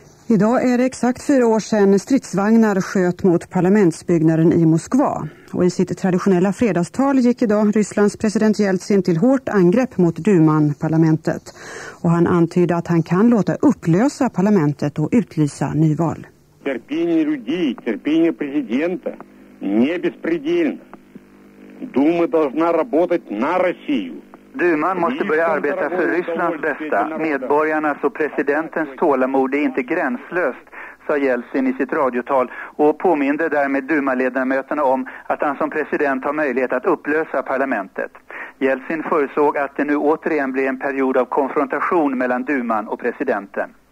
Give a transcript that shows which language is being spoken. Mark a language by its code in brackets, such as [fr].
[sv] Idag är det exakt 4 år sedan stridsvagnar sköt mot parlamentsbyggnaden i Moskva. Och i sitt traditionella fredagstal gick idag Rysslands president Jeltsin till hårt angrepp mot duman, parlamentet. Och han antydde att han kan låta upplösa parlamentet och utlysa nyval. [ru] Терпение людей, терпение президента не беспредельно. Дума должна работать на Россию. [sv] Duman måste börja arbeta för Rysslands bästa. Medborgarnas och presidentens tålamod är inte gränslöst, sa Jeltsin i sitt radiotal och påminde därmed dumaledamöterna om att han som president har möjlighet att upplösa parlamentet. Jeltsin förutsåg att det nu återigen blir en period av konfrontation mellan duman och presidenten.